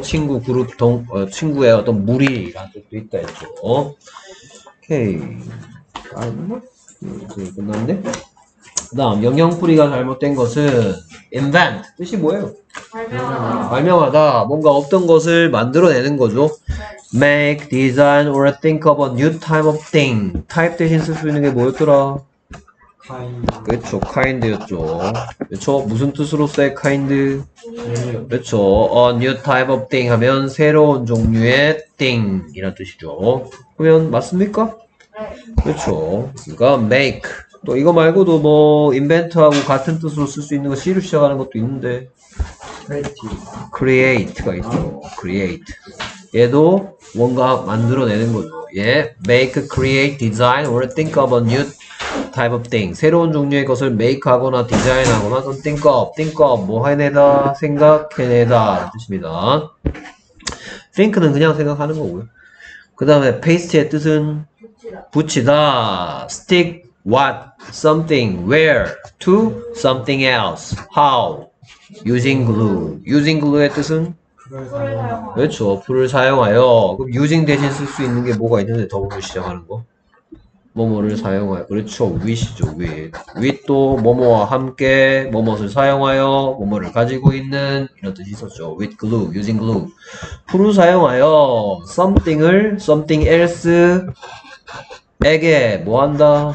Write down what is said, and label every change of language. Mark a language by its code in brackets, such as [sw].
[ko] 친구, 그룹, 친구의 어떤 무리라는 뜻도 있다 했죠. 오케이. 이제 끝났네. 그 다음, 영영뿌리가 잘못된 것은, invent. 뜻이 뭐예요? 발명하다. 뭔가 없던 것을 만들어내는 거죠. [en] make, design, or think of a new type of thing. [ko] type 대신 쓸수 있는 게 뭐였더라? 그쵸, kind였죠. 그쵸, 무슨 뜻으로서의 kind? 그쵸, [en] a new type of thing [ko] 하면 새로운 종류의 thing 이란 뜻이죠. 그러면 맞습니까? 그쵸, 그니까 make. 또 이거 말고도 뭐, invent하고 같은 뜻으로 쓸수 있는 거 C로 시작하는 것도 있는데. create가 있죠, create. 얘도 뭔가 만들어내는 거죠. [en] 예, make, create, design, or think of a new type of thing. [ko] 새로운 종류의 것을 make 하거나 design 하거나 또 think of 뭐 해내다 생각해내다 뜻입니다. think는 그냥 생각하는 거고요. 그 다음에 paste의 뜻은 붙이다. [en] stick what something where to something else how using glue. using glue [ko] 의 뜻은 그렇죠. 불을 사용하여. 그럼 using 대신 쓸수 있는 게 뭐가 있는데 더블을 시작하는 거? 뭐뭐를 사용하여. 그렇죠. with죠. with. with도 뭐뭐와 함께 뭐뭐를 사용하여 뭐뭐를 가지고 있는 이런 뜻이 있었죠. [en] with glue, using glue. [ko] 풀을 사용하여 something을 something else에게 뭐한다?